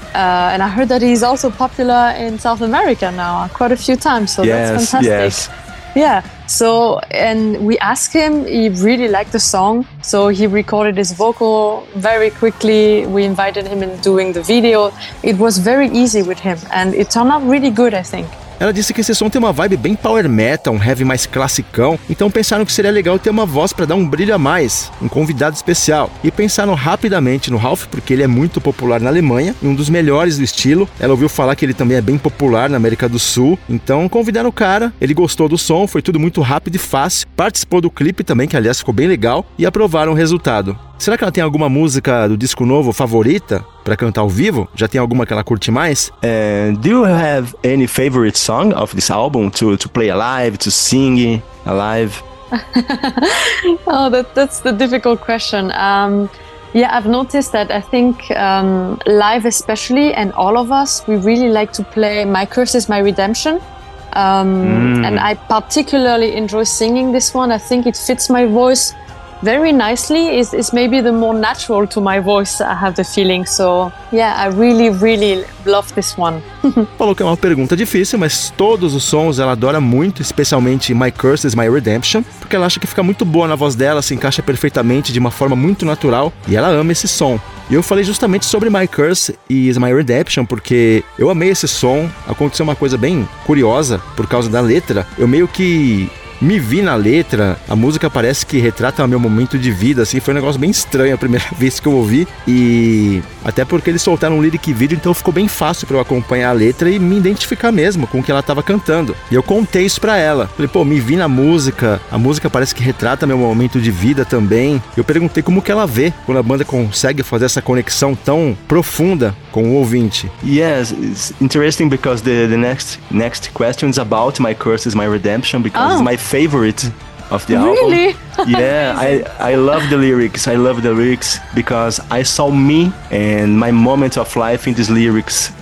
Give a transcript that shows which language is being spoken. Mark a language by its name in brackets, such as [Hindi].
[English] And I heard that he's also popular in South America now quite a few times. So yes, that's fantastic. Yes. Yeah. So, and we asked him, he really liked the song, so he recorded his vocal very quickly. We invited him in doing the video. It was very easy with him, and it turned out really good, I think. [Portuguese] Ela disse que esse som tem uma vibe bem power metal, um heavy mais classicão, então pensaram que seria legal ter uma voz para dar um brilho a mais, um convidado especial. E pensaram rapidamente no Ralph, porque ele é muito popular na Alemanha, e um dos melhores do estilo. Ela ouviu falar que ele também é bem popular na América do Sul, então convidaram o cara, ele gostou do som, foi tudo muito rápido e fácil, participou do clipe também, que aliás ficou bem legal, e aprovaram o resultado. Será que ela tem alguma música do disco novo favorita para cantar ao vivo? Já tem alguma que ela curte mais? [English] And do you have any favorite song of this album to play alive, to sing alive? Oh, that's the difficult question. I've noticed that I think live especially, and all of us, we really like to play My Curse Is My Redemption. And I particularly enjoy singing this one. I think it fits my voice very nicely. It's maybe the more natural to my voice, I have the feeling. So, yeah, I really, really love this one. [Portuguese] Falou que é uma pergunta difícil, mas todos os sons ela adora muito, especialmente My Curse is My Redemption, porque ela acha que fica muito boa na voz dela, se encaixa perfeitamente de uma forma muito natural, e ela ama esse som. E eu falei justamente sobre My Curse e Is My Redemption, porque eu amei esse som. Aconteceu uma coisa bem curiosa por causa da letra. Eu meio que me vi na letra, a música parece que retrata o meu momento de vida, assim, foi um negócio bem estranho a primeira vez que eu ouvi, e até porque eles soltaram um lyric video, então ficou bem fácil pra eu acompanhar a letra e me identificar mesmo com o que ela tava cantando. E eu contei isso pra ela, falei, pô, me vi na música, a música parece que retrata meu momento de vida também. Eu perguntei como que ela vê quando a banda consegue fazer essa conexão tão profunda com o ouvinte. [English] Yes, it's interesting because the next question is about My Curse is My Redemption, because it's my favorite of the really? Album. Yeah, I love the lyrics. I love the lyrics because I saw me and my moment of life in these lyrics.